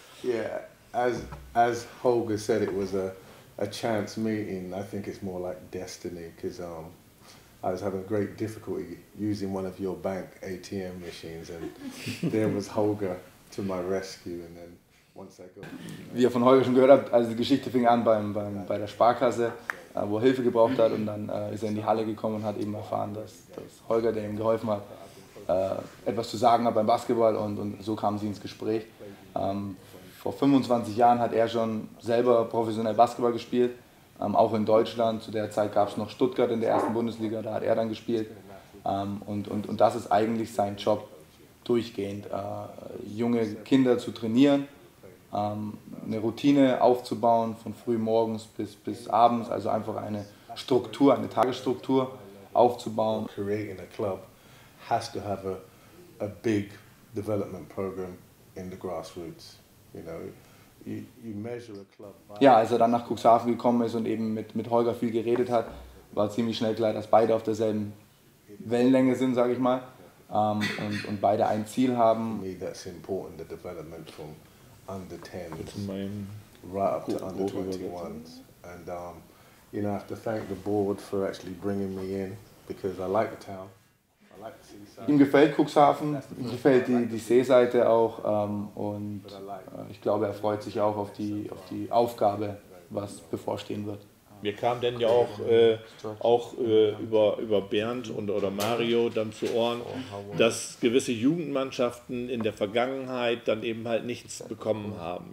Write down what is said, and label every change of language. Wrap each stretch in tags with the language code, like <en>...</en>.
<en>Yeah, as Holger said, it was a chance meeting. I think it's more like destiny, because I was having great difficulty using one of your bank ATM machines, and there was Holger to my rescue. And then once I got,</en> <de>wie ihr von Holger schon gehört habt, also die Geschichte fing an bei der Sparkasse, wo er Hilfe gebraucht hat, und dann ist er in die Halle gekommen und hat eben erfahren, dass Holger, der ihm geholfen hat, etwas zu sagen hat beim Basketball, und so kamen sie ins Gespräch. vor 25 Jahren hat er schon selber professionell Basketball gespielt, auch in Deutschland. Zu der Zeit gab es noch Stuttgart in der ersten Bundesliga, da hat er dann gespielt. Und das ist eigentlich sein Job durchgehend, junge Kinder zu trainieren, eine Routine aufzubauen von früh morgens bis abends, also einfach eine Struktur, eine Tagesstruktur aufzubauen.</de> <en>Creating a club has to have a big development program in the grassroots, you know. You measure a club by...</en> <de>Ja, als er dann nach Cuxhaven gekommen ist und eben mit Holger viel geredet hat, war ziemlich schnell klar, dass beide auf derselben Wellenlänge sind, sage ich mal, und beide ein Ziel haben.</de> <en>For me, that's important, the development from under 10 to mine, right up to under 21s. And, you know, I have to thank the board for actually bringing me in, because I like the town.</en> <de>Ihm gefällt Cuxhaven, ihm gefällt die Seeseite auch, und ich glaube, er freut sich auch auf die Aufgabe, was bevorstehen wird. Wir kamen dann ja auch über Bernd und oder Mario dann zu Ohren, dass gewisse Jugendmannschaften in der Vergangenheit dann eben halt nichts bekommen haben.</de>